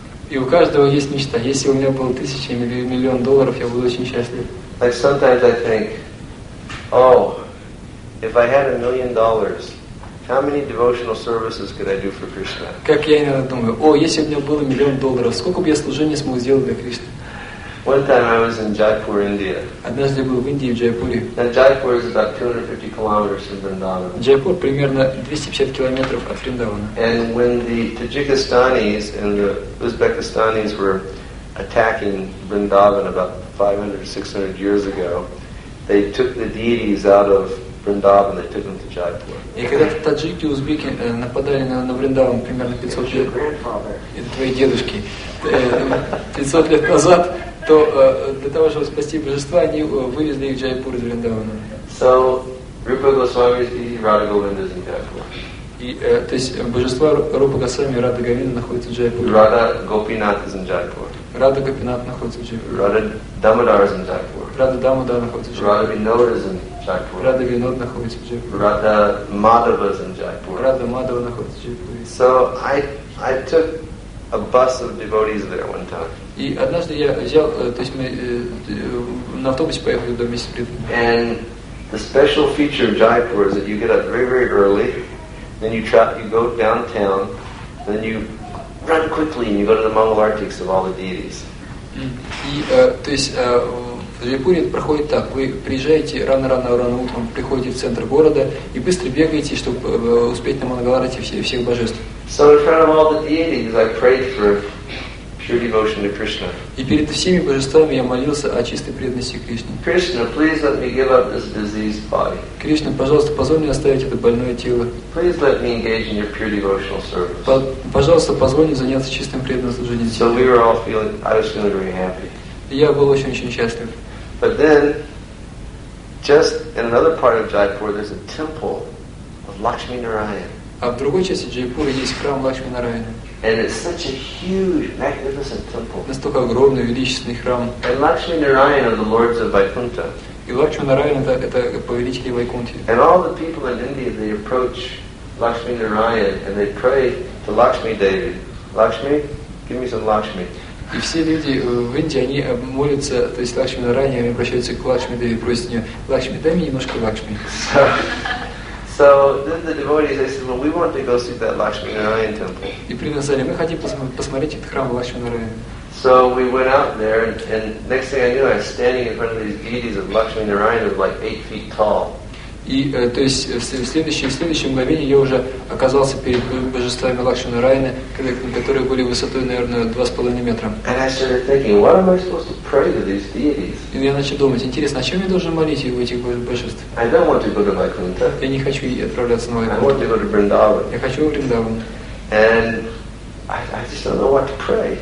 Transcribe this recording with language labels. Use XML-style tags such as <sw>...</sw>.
<ru>И у каждого есть мечта. Если у меня было 1,000 или $1,000,000, я буду очень счастлив.</ru> <en>Like sometimes I think, oh, if I had $1 million, how many devotional services could I do for Krishna?</en> <ru>Как я иногда думаю, о, если бы у меня было $1</ru> <en>million,</en> <ru>сколько бы я служений смог сделать для Кришны?</ru> <en>One time I was in Jaipur, India.</en> <ru>Однажды я был в Индии, в Джайпуре.</ru> <en>And Jaipur is about 250 kilometers from Vrindavan.</en> <ru>Джайпур примерно 250 километров от Вриндавана.</ru> <en>And when the Tajikistanis and the Uzbekistanis were attacking Vrindavan about 500-600 years ago, they took the deities out of Vrindavan, they took them to Jaipur.</en> <ru>И когда таджики, узбеки нападали на Вриндаван примерно 500 лет, это твои дедушки, 500 лет назад, то для того, чтобы спасти божества, они вывезли их в Джайпур из Вриндавана.</ru> <en>So, Rupa Goswami and Radha Govinda is in Jaipur.</en> <ru>И, то есть божества Рупа Госвами и Радха Говинда находятся в Джайпуре.</ru> <en>Radha Gopinath is in Jaipur.</en> <ru>Radha Gopinath находится в Джайпуре.</ru> <en>Radha Damodar is in Jaipur.</en> <ru>Radha Damodar находится в Джайпуре.</ru> <en>Radha Vinod is in Jaipur.</en> <ru>Radha Vinod находится в Джайпуре.</ru> <en>Radha Madhava is in Jaipur.</en> <ru>Radha Madhava находится в Джайпуре.</ru> <en>So, I took a bus of devotees there one time.</en> <ru>И однажды я взял, то есть мы на автобусе поехали до места преданного.</ru> <en>And the special feature of Jaipur is that you get up very, very early, then you go downtown, then you run quickly and you go to the Mangal Artics of all the deities.</en> <ru>И то есть в Джайпуре это проходит так: вы приезжаете рано утром, приходите в центр города и быстро бегаете, чтобы успеть на Мангал Артик всех божеств.</ru> <en>So in front of all the deities, I prayed for pure devotion to Krishna.</en> <ru>И перед всеми божествами я молился о чистой преданности Кришне.</ru> <en>Krishna, please let me give up this diseased body.</en> <ru>Кришна, пожалуйста, позволь мне оставить это больное тело.</ru> <en>Please let me engage in your pure devotional service.</en> <ru>Пожалуйста, позволь мне заняться чистым преданным служением.</ru> <en>So we were all feeling, I was feeling very happy.</en> <ru>Я был очень счастлив.</ru> <en>But then, just in another part of Jaipur, there's a temple of Lakshmi Narayan.</en> <ru>А в другой части Джайпура есть храм Лакшми Нараяна.</ru> <en>And it's such a huge, magnificent temple.</en> <ru>Настолько огромный, величественный храм.</ru> <en>And Lakshmi Narayan are the lords of Vaikuntha.</en> <ru>И Лакшми Нараяна это повелители Вайкунти.</ru> <en>And all the people in India, they approach Lakshmi Narayan and they pray to Lakshmi Devi. Lakshmi, give me some Lakshmi.</en> <ru>И все люди в Индии, они молятся, то есть Лакшми Нараяна, они обращаются к Лакшми Деви, просят у нее: Лакшми, дай мне немножко Лакшми.</ru> <en>So then the devotees, they said, well, we want to go see that Lakshmi Narayan temple.</en> <ru>И принесли, мы хотим посмотреть этот храм Лакшми Нараяна.</ru> <en>So we went out there, and next thing I knew, I was standing in front of these deities of Lakshmi Narayan, who were like 8 feet tall.</en> <ru>И то есть в следующем мгновении я уже оказался перед божествами Лакшми Нараяна, которые были высотой, наверное, 2.5 метра.</ru> <en>And I started thinking, what am I supposed to pray to these deities?</en> <ru>И я начал думать, интересно, о чем я должен молиться у этих божеств?</ru> <en>I don't want to go to Vaikuntha.</en> <ru>Я не хочу отправляться на Вайкунту.</ru> <en>I want to go to Vrindavan.</en> <ru>Я хочу в Вриндаван.</ru> <en>And I just don't know what to pray.</en>